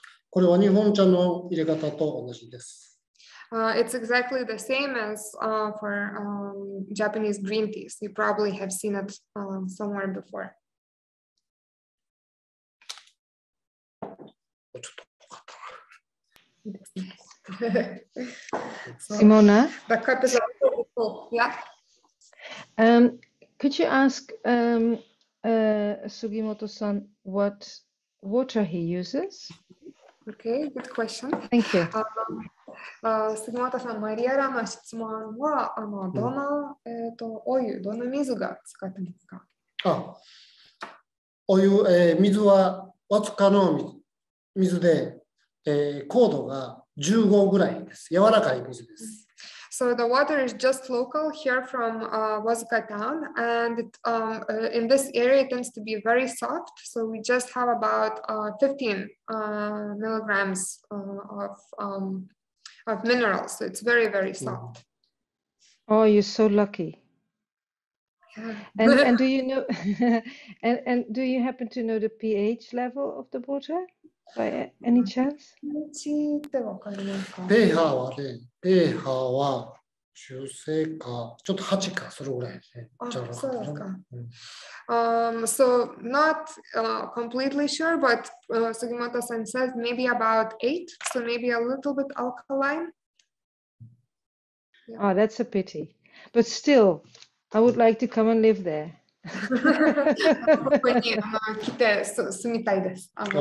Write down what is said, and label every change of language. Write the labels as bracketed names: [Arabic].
[Japanese] これは日本茶の入れ方と同じです。 [English] It's exactly the same as for Japanese green teas. You probably have seen it somewhere before. Simona, the cup is full. Yeah. Could you ask Sugimoto-san what water he uses? Okay, good question. Thank you. [Japanese] Sugimoto-san, Mariarama 質問はあのどの、お湯どの水が使ってますか？あ、お湯、水はわずかの水で。硬度が15ぐらいです。柔らかい水です。 [English] So the water is just local here from Wazuka town, and it, in this area it tends to be very soft. So we just have about 15 milligrams of minerals. So it's very very soft. Oh, you're so lucky. And do you know? and do you happen to know the pH level of the water? By any chance? [Japanese] pH はね、pH は中性か、ちょっと8か、それぐらいね。あ、そうですか。 [English] So not completely sure, but Sugimoto-san says maybe about 8, so maybe a little bit alkaline. Oh, that's a pity. But still, I would like to come and live there. [Japanese] ここに来て住みたいです。